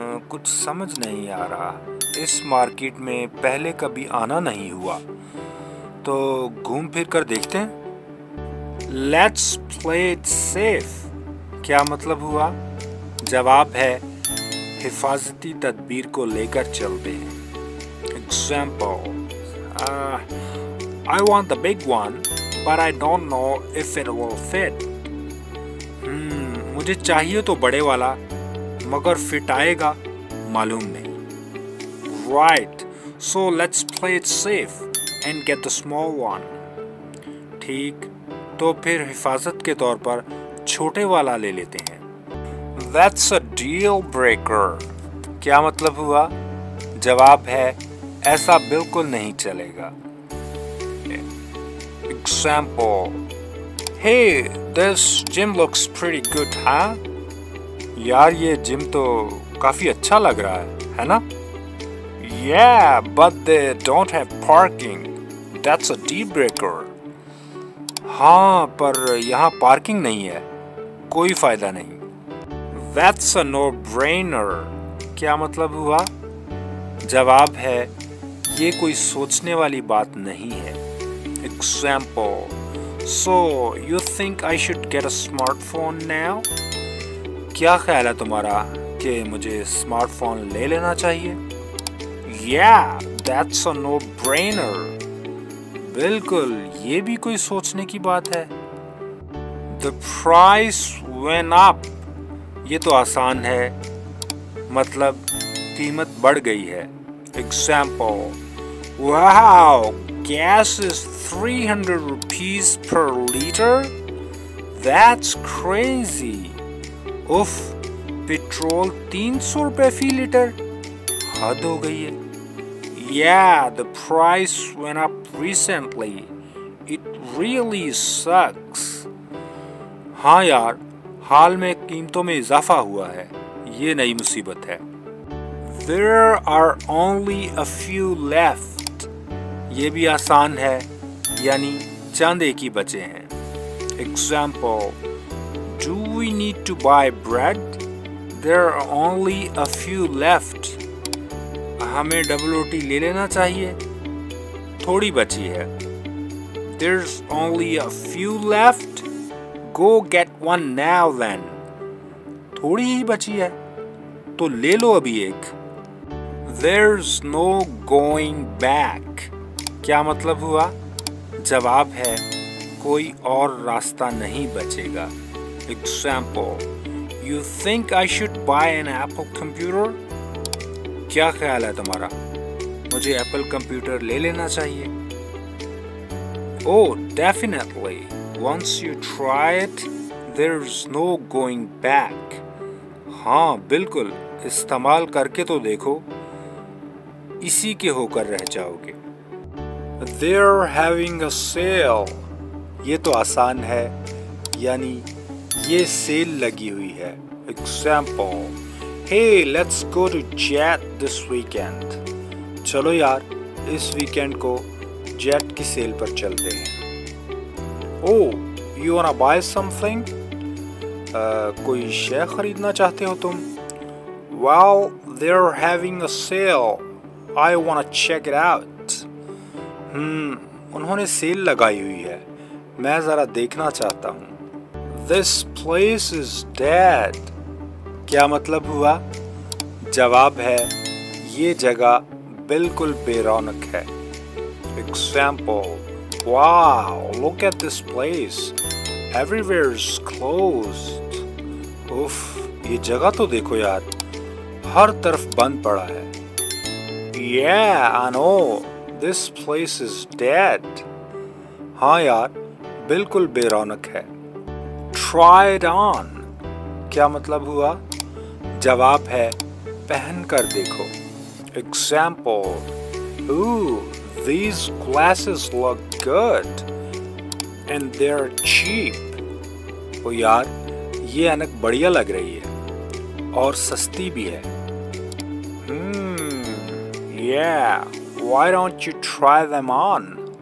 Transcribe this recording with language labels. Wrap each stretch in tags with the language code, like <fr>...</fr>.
<hi>कुछ समझ नहीं आ रहा, इस मार्केट में पहले कभी आना नहीं हुआ, तो घूम फिर कर देखते हैं.</hi> <en>Let's play it safe.</en> <hi>क्या मतलब हुआ? जवाब है, हिफाजती तदबीर को लेकर चलते हैं.</hi> <en>Example: I want the big one, but I don't know if it will fit.</en> <hi>मुझे चाहिए तो बड़े वाला, मगर फिट आएगा मालूम नहीं.</hi> <en>Right, so let's play it safe and get the small one.</en> <hi>ठीक, तो फिर हिफाजत के तौर पर छोटे वाला ले लेते हैं.</hi> <en>That's a deal breaker.</en> <hi>क्या मतलब हुआ? जवाब है, ऐसा बिल्कुल नहीं चलेगा.</hi> <en>Example. Hey, this gym looks pretty good, huh?</en> <hi>यार ये जिम तो काफी अच्छा लग रहा है ना?</hi> <en>Yeah, but they don't have parking. That's a deal breaker.</en> <hi>हाँ, पर यहाँ पार्किंग नहीं है. कोई फायदा नहीं.</hi> <en>That's a no-brainer.</en> <hi>क्या मतलब हुआ? जवाब है, ये कोई सोचने वाली बात नहीं है.</hi> <en>Example. So, you think I should get a smartphone now?</en> <hi>क्या ख्याल है तुम्हारा कि मुझे स्मार्टफोन ले लेना चाहिए?</hi> <en>Yeah, that's a no-brainer.</en> <hi>बिल्कुल, ये भी कोई सोचने की बात है.</hi> <en>The price went up.</en> <hi>ये तो आसान है. मतलब कीमत बढ़ गई है.</hi> <en>Example. Wow, gas is 300 rupees per liter. That's crazy. Uff, petrol 300 rupees per liter.</en> <hi>हद हो गई है.</hi> <en>Yeah, the price went up recently. It really sucks.</en> <hi>हाँ यार, हाल में कीमतों में इजाफा हुआ है. ये नई मुसीबत है.</hi> <en>There are only a few left.</en> <hi>ये भी आसान है, यानी चंद एक ही बचे हैं.</hi> <en>Example. Do we need to buy bread? There are only a few left.</en> <hi>हमें डबल रोटी ले लेना चाहिए, थोड़ी बची है.</hi> <en>There's only a few left. Go get one now then.</en> <hi>थोड़ी ही बची है, तो ले लो अभी एक.</hi> <en>There's no going back.</en> <hi>क्या मतलब हुआ? जवाब है, कोई और रास्ता नहीं बचेगा. Example.</hi> <en>You think I should buy an Apple computer?</en> <hi>क्या ख्याल है तुम्हारा? मुझे एप्पल कंप्यूटर ले लेना चाहिए.</hi> <en>Oh, definitely. Once you try it, there's no going back.</en> <hi>हाँ, बिल्कुल. इस्तेमाल करके तो देखो. इसी के होकर रह जाओगे.</hi> <en>They're having a sale.</en> <hi>ये तो आसान है. यानी ये सेल लगी हुई है.</hi> <en>Example. Hey, let's go to Jet this weekend.</en> <hi>चलो यार, इस वीकेंड को जेट की सेल पर चलते हैं.</hi> <en>Oh, you wanna buy something?</en> <hi>कोई शेयर खरीदना चाहते हो तुम?</hi> <en>Well, they're having a sale. I wanna check it out.</en> <hi>उन्होंने सेल लगाई हुई है. मैं जरा देखना चाहता हूँ.</hi> <en>This place is dead.</en> <hi>क्या मतलब हुआ? जवाब है, ये जगह बिल्कुल बेरौनक है.</hi> <en>Example. Wow, look at this place. Everywhere is closed.</en> <hi>उफ, ये जगह तो देखो यार, हर तरफ बंद पड़ा है.</hi> <en>Yeah, I know. This place is dead.</en> <hi>हाँ यार, बिल्कुल बेरौनक है.</hi> <en>Try it on.</en> <hi>क्या मतलब हुआ? जवाब है, पहन कर देखो.</hi> <en>Example. Ooh, these glasses look good. And they're cheap.</en> <hi>ओ यार, ये ऐनक बढ़िया लग रही है. और सस्ती भी है.</hi> <en>Yeah, why don't you try them on?</en>